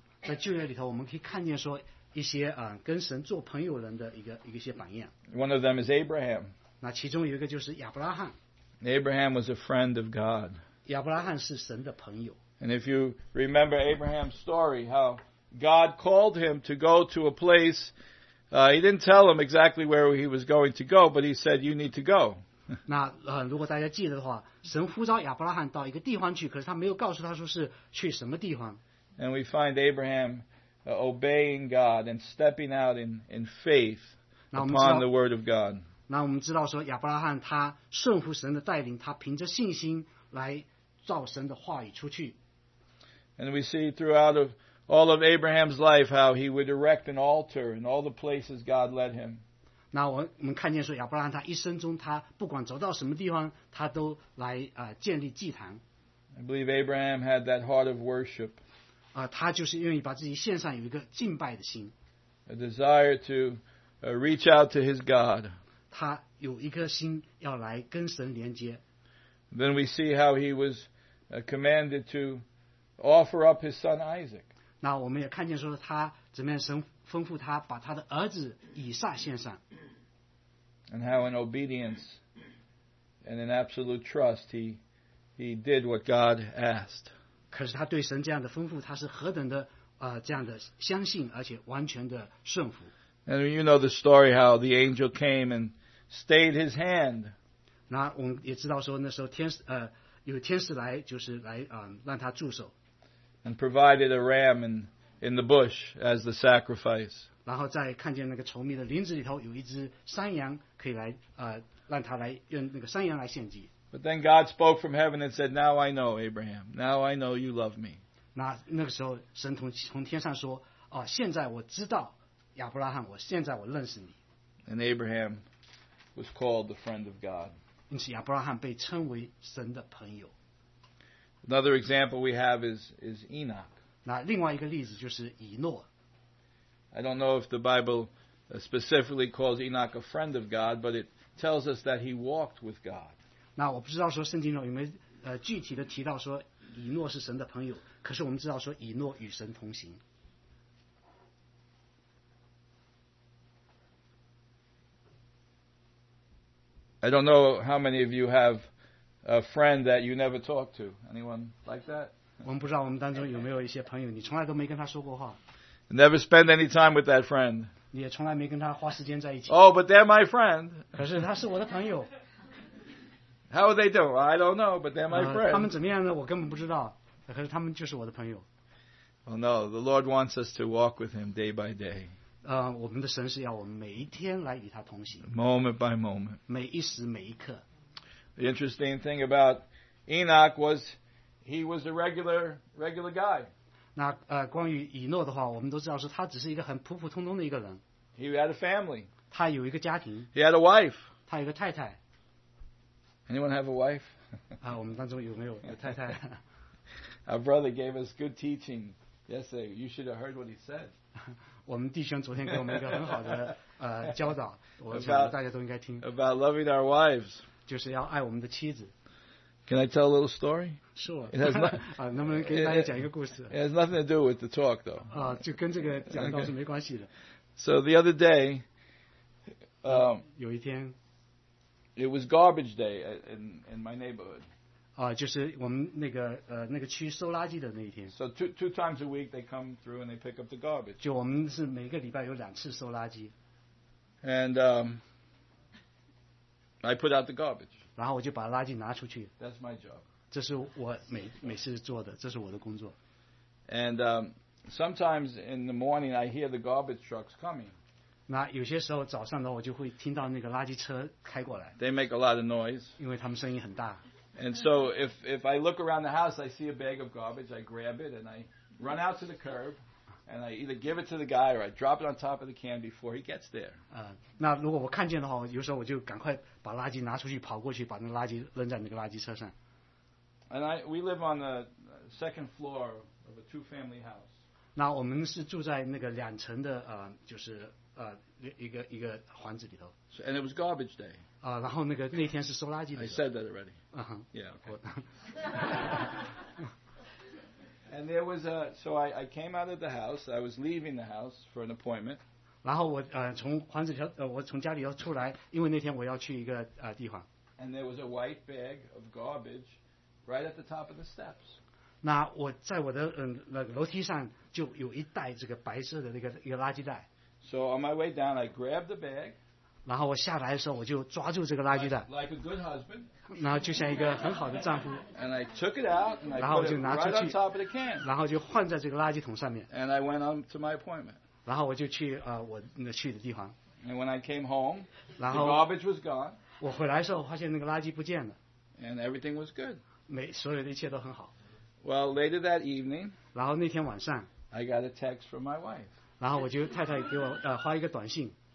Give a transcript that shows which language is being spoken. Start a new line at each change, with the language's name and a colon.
Chinese: 在旧约里头，我们可以看见说一些跟神做朋友人的一些榜样。
English: One of them is Abraham.
Chinese: 那其中有一个就是亚伯拉罕。
English: Abraham was a friend of God.
Chinese: 亚伯拉罕是神的朋友。
English: And if you remember Abraham's story, how God called him to go to a place. He didn't tell him exactly where he was going to go, but he said, "You need to go."
Chinese: 那如果大家记得的话，神呼召亚伯拉罕到一个地方去，可是他没有告诉他说是去什么地方。
English: And we find Abraham obeying God and stepping out in faith upon the word of God.
Chinese: 那我们知道说亚伯拉罕他顺服神的带领，他凭着信心来照神的话语出去。
English: And we see throughout of all of Abraham's life how he would erect an altar in all the places God led him.
Chinese: 那我们看见说亚伯拉罕他一生中他不管走到什么地方他都来建立祭坛。
English: I believe Abraham had that heart of worship.
Chinese: 他就是愿意把自己献上有一个敬拜的心。
English: A desire to reach out to his God.
Chinese: 他有一颗心要来跟神连接。
English: Then we see how he was commanded to offer up his son Isaac.
Chinese: 那我们也看见说他怎么样神吩咐他把他的儿子以撒献上。
English: And how in obedience and in absolute trust he did what God asked.
Chinese: 可是他对神这样的吩咐他是何等的这样的相信而且完全的顺服。
English: And you know the story how the angel came and stayed his hand.
Chinese: 那我们也知道说那时候天使有天使来就是来让他驻守。
English: And provided a ram in the bush as the sacrifice.
Chinese: 然后在看见那个稠密的林子里头有一只山羊可以来让他来用那个山羊来献祭。
English: But then God spoke from heaven and said, "Now I know, Abraham. Now I know you love me."
Chinese: 那个时候神从天上说现在我知道亚伯拉罕，我现在我认识你。
English: And Abraham was called the friend of God.
Chinese: 因此亚伯拉罕被称为神的朋友。
English: Another example we have is Enoch.
Chinese: 那另外一个例子就是以诺。
English: I don't know if the Bible specifically calls Enoch a friend of God, but it tells us that he walked with God.
Chinese: 那我不知道说圣经中有没有具体的提到说以诺是神的朋友，可是我们知道说以诺与神同行。
English: I don't know how many of you have a friend that you never talk to. Anyone like that?
Chinese: 我们不知道我们当中有没有一些朋友，你从来都没跟他说过话。
English: Never spend any time with that friend.
Chinese: 你也从来没跟他花时间在一起。
English: Oh, but they're my friend.
Chinese: 可是他是我的朋友。
English: How are they doing? I don't know, but they're my friend.
Chinese: 他们怎么样呢？我根本不知道。可是他们就是我的朋友。
English: Well, no, the Lord wants us to walk with Him day by day.
Chinese: 我们的神是要我们每一天来与他同行。
English: Moment by moment.
Chinese: 每一时每一刻。
English: The interesting thing about Enoch was he was a regular guy.
Chinese: 那关于以诺的话，我们都知道说他只是一个很普普通通的一个人。
English: He had a family.
Chinese: 他有一个家庭。
English: He had a wife.
Chinese: 他有个太太。
English: Anyone have a wife?
Chinese: 我们当中有没有太太？
English: Our brother gave us good teaching yesterday. You should have heard what he said.
Chinese: 我们弟兄昨天给我们一个很好的教导，我想大家都应该听。
English: About loving our wives.
Chinese: 就是要爱我们的妻子。
English: Can I tell a little story? Sure. It has not,
Chinese: 能不能给大家讲一个故事？
English: It has nothing to do with the talk, though.
Chinese: 就跟这个讲道是没关系的。
English: So the other day,
Chinese: 有一天
English: ，It was garbage day in my neighborhood.
Chinese: 就是我们那个区收垃圾的那一天。
English: So two times a week they come through and they pick up the garbage.
Chinese: 就我们是每个礼拜有两次收垃圾。
English: And I put out the garbage.
Chinese: 然后我就把垃圾拿出去。
English: That's my job.
Chinese: 这是我每次做的，这是我的工作。
English: And sometimes in the morning I hear the garbage trucks coming.
Chinese: 那有些时候早上呢，我就会听到那个垃圾车开过来。
English: They make a lot of noise.
Chinese: 因为他们声音很大。
English: And so if I look around the house, I see a bag of garbage, I grab it and I run out to the curb. And I either give it to the guy or I drop it on top of the can before he gets there.
Chinese: 那如果我看见的话，有时候我就赶快把垃圾拿出去，跑过去把那垃圾扔在那个垃圾车上。
English: And we live on the second floor of a two-family house.
Chinese: 那我们是住在那个两层的就是一个房子里头。
English: So, and it was garbage day.
Chinese: 然后那天是收垃圾的。
English: I said that already. And there was I came out of the house. I was leaving the house for an appointment.
Chinese: 然后我从房子里我从家里要出来，因为那天我要去一个地方。
English: And there was a white bag of garbage right at the top of the steps.
Chinese: 那我在我的楼梯上就有一袋这个白色的那个垃圾袋。
English: So on my way down, I grabbed the bag.
Chinese: 然后我下来的时候，我就抓住这个垃圾袋。
English: Like a good husband.
Chinese: 然后就像一个很好的丈夫。
English: And I took it out.
Chinese: 然后我就拿出去。
English: Right on top of the can.
Chinese: 然后就放在这个垃圾桶上面。
English: And I went on to my appointment.
Chinese: 然后我就去我那去的地方。
English: And when I came home, the garbage was gone.
Chinese: 我回来的时候，发现那个垃圾不见了。
English: And everything was good.
Chinese: 所有的一切都很好。
English: Well, later that evening,
Chinese: 然后那天晚上
English: I got a text from my wife.
Chinese: 然后我就太太给我发一个短信。